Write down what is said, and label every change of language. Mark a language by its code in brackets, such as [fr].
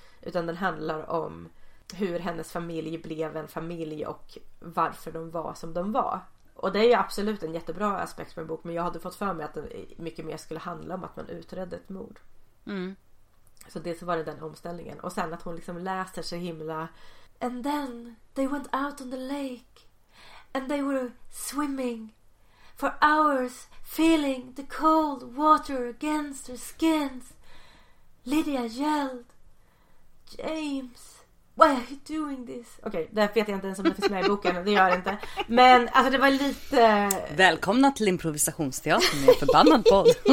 [sv] Utan den handlar om hur hennes familj blev en familj och varför de var som de var. Och det är ju absolut en jättebra aspekt på en bok. Men jag hade fått för mig att den mycket mer skulle handla om att man utredde ett mord. Mm. Så det så var det den omställningen. Och sen att hon liksom läser så himla... [en] And then they went out on the lake and they were swimming for hours, feeling the cold water against their skins. Lydia yelled, James, why are you doing this? [sv] Okej, okay, det vet jag inte ens om det finns med i boken. Det gör det inte. Men alltså, det var lite... Välkomna till improvisationsteatern med förbannad podd.